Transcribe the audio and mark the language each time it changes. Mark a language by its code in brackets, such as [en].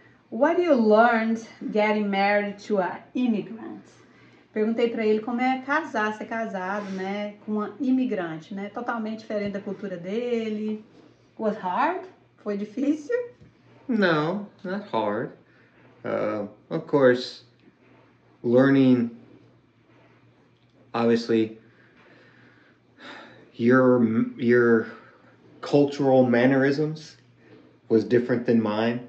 [en] What you learned getting married to an immigrant? [pt] Perguntei para ele como é casar, ser casado, né, com uma imigrante, né, totalmente diferente da cultura dele. [en] Was hard? [pt] Foi difícil? [en] No, not hard. Of course, learning, obviously, your cultural mannerisms was different than mine.